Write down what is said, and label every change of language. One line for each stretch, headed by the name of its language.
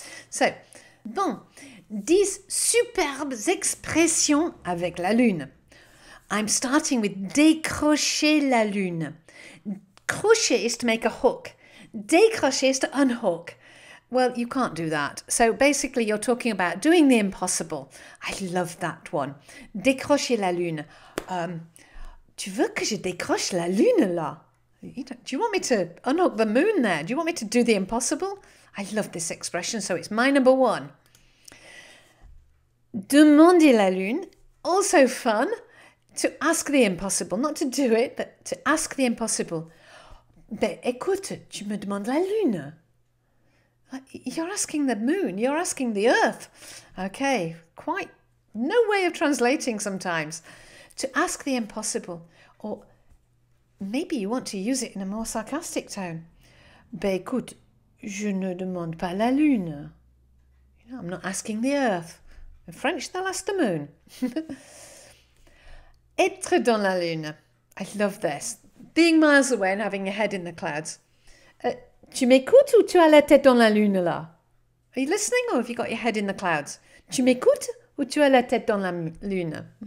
French: So, bon. 10 superbes expressions avec la lune.
English: I'm starting with
French: décrocher la lune.
English: Crocher is to make a hook. Décrocher is to unhook. Well, you can't do that. So basically, you're talking about doing the impossible. I love that one.
French: Décrocher la lune. Tu veux que je décroche la lune là?
English: Do you want me to unhook the moon there? Do you want me to do the impossible? I love this expression, so it's my number one.
French: Demander la lune,
English: also fun, to ask the impossible, not to do it, but to ask the impossible.
French: Ben, écoute, tu me demandes la lune.
English: You're asking the moon, you're asking the earth. Okay, quite no way of translating sometimes. To ask the impossible, or maybe you want to use it in a more sarcastic tone.
French: Ben, écoute, je ne demande pas la lune.
English: You know, I'm not asking the earth. In French, they'll ask the moon.
French: Être dans la lune.
English: I love this. Being miles away and having your head in the clouds.
French: Tu m'écoutes ou tu as la tête dans la lune là?
English: Are you listening or have you got your head in the clouds?
French: Tu m'écoutes ou tu as la tête dans la lune?